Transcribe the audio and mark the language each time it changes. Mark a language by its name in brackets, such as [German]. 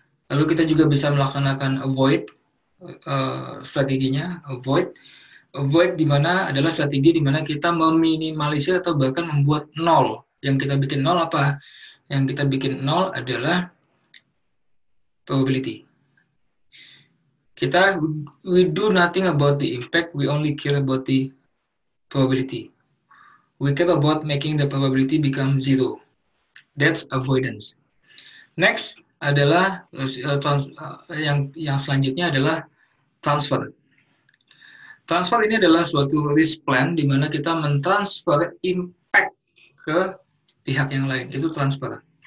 [Indonesian] Lalu kita juga bisa melaksanakan avoid. Strateginya avoid di mana adalah strategi di mana kita meminimalisir atau bahkan membuat nol. Yang kita bikin nol apa? Yang kita bikin nol adalah probability. Kita [English] we do nothing about the impact, we only care about the probability. We care about making the probability become zero. That's avoidance. [Indonesian] Next adalah yang selanjutnya adalah transfer. Transfer ini adalah suatu risk plan di mana kita mentransfer impact ke pihak yang lain. Itu transfer.